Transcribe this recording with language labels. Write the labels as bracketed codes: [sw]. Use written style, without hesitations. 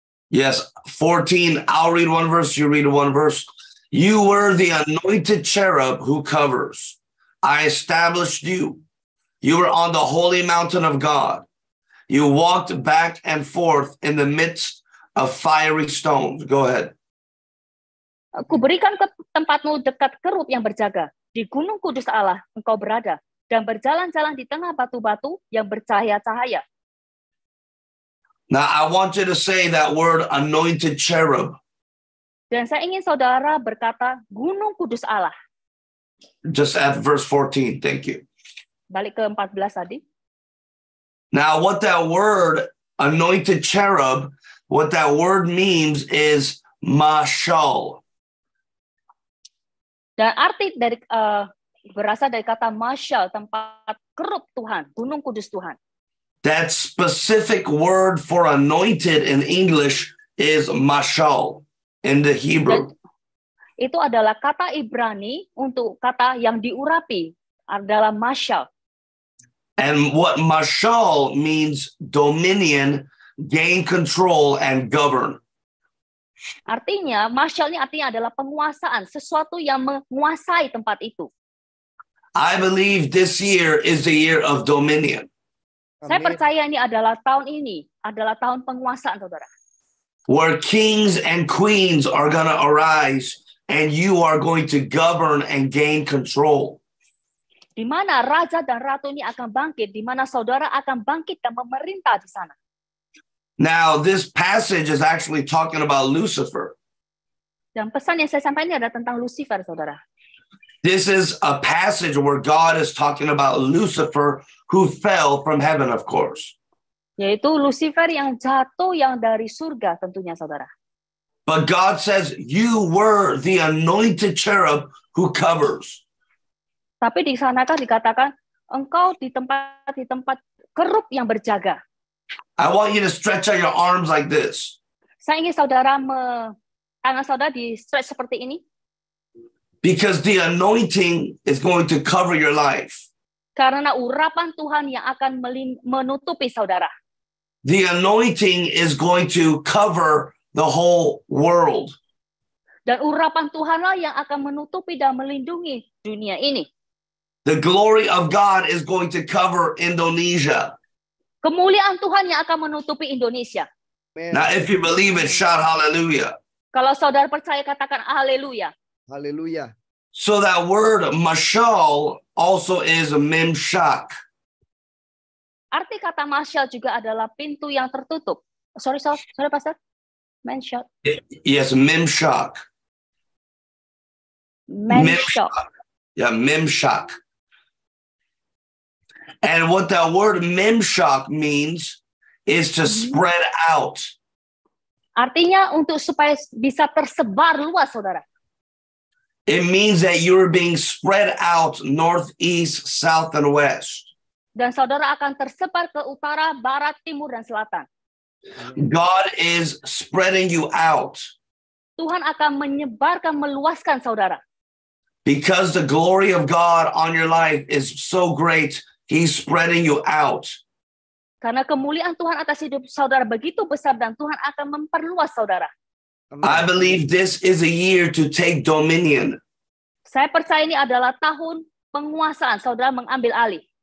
[en] Yes, 14, I'll read one verse, you read one verse. You were the anointed cherub who covers. I established you. You were on the holy mountain of God. You walked back and forth in the midst of fiery stones. Go ahead. [id] Kuberikan ke tempatmu dekat kerub yang berjaga. Di gunung kudus Allah engkau berada dan berjalan-jalan di tengah batu-batu yang bercahaya-cahaya. [en] Now I want you to say that word anointed cherub. [id] Dan saya ingin saudara berkata gunung kudus Allah. [en] Just at verse 14, thank you. [id] Balik ke 14 tadi. [en] Now what that word anointed cherub, what that word means is mashal. [id] Dan arti dari berasal dari kata mashal, tempat kerub Tuhan, gunung kudus Tuhan. [en] That specific word for anointed in English is mashal in the Hebrew. [id] Itu adalah kata Ibrani untuk kata yang diurapi adalah mashal. [en] And what mashal means dominion, gain control, and govern. [id] Artinya, mashal ini artinya adalah penguasaan, sesuatu yang menguasai tempat itu. [en] I believe this year is the year of dominion. [id] Saya percaya ini, adalah tahun penguasaan, saudara. [en] Where kings and queens are going to arise and you are going to govern and gain control. [id] Di mana raja dan ratu ini akan bangkit, di mana saudara akan bangkit dan memerintah di sana. [en] Now, this passage is actually talking about Lucifer. [id] Dan pesan yang saya sampaikan adalah tentang Lucifer, saudara. [en] This is a passage where God is talking about Lucifer who fell from heaven, of course. [id] Yaitu Lucifer yang jatuh yang dari surga tentunya, saudara. [en] But God says, you were the anointed cherub who covers. [id] Tapi di sana kan dikatakan, engkau di tempat kerub yang berjaga. [en] I want you to stretch out your arms like this. [id] Saya ingin saudara tangan saudara di stretch seperti ini. [en] Because the anointing is going to cover your life. [id] Karena urapan Tuhan yang akan menutupi saudara. [en] The anointing is going to cover the whole world. [id] Dan urapan Tuhanlah yang akan menutupi dan melindungi dunia ini. [en] The glory of God is going to cover Indonesia. [id] Kemuliaan Tuhan yang akan menutupi Indonesia. [en] Now if you believe it, shout hallelujah. [id] Kalau saudara percaya katakan haleluya. [en] Hallelujah. So that word mashal also is mimshak. [id] Arti kata mashal juga adalah pintu yang tertutup. [en] Sorry Pastor. Mimshak. Yes, mimshak. Mimshak. Yeah, mimshak. And what that word mimshak means is to spread out. [id] Artinya untuk supaya bisa tersebar luas, saudara. [en] It means that you're being spread out north, east, south, and west. [id] Dan saudara akan tersebar ke utara, barat, timur, dan selatan. [en] God is spreading you out. [id] Tuhan akan menyebarkan, meluaskan saudara. [en] Because the glory of God on your life is so great, He's spreading you out. [id] Karena kemuliaan Tuhan atas hidup saudara begitu besar dan Tuhan akan memperluas saudara. [en] I believe this is a year to take dominion. [id] Saya percaya ini adalah tahun penguasaan, saudara mengambil alih.